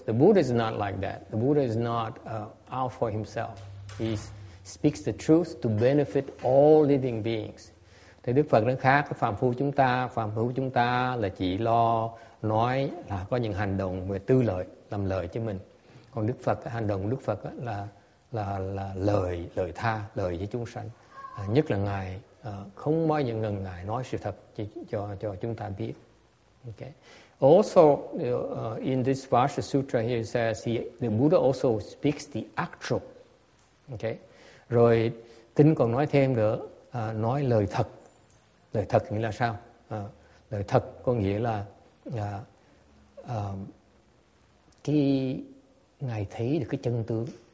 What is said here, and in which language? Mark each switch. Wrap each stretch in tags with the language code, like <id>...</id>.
<en>The Buddha is not like that. The Buddha is not out for himself. He speaks the truth to benefit all living beings.</en> <vi>Thì Đức Phật nó khác với phàm phu chúng ta. Phàm phu chúng ta là chỉ lo nói là có những hành động về tư lợi, làm lợi cho mình. Còn Đức Phật, hành động của Đức Phật là lợi tha, lợi cho chúng sanh. Nhất là Ngài không bao giờ ngần ngại nói sự thật cho chúng ta biết.</vi> <en>Okay. Also, in this Vajra Sutra here, it says the Buddha also speaks the actual. Okay.</en> <vi>Rồi kinh còn nói thêm nữa, nói lời thật. Lời thật nghĩa là sao? Lời thật có nghĩa là khi Ngài thấy được cái chân tướng.</vi>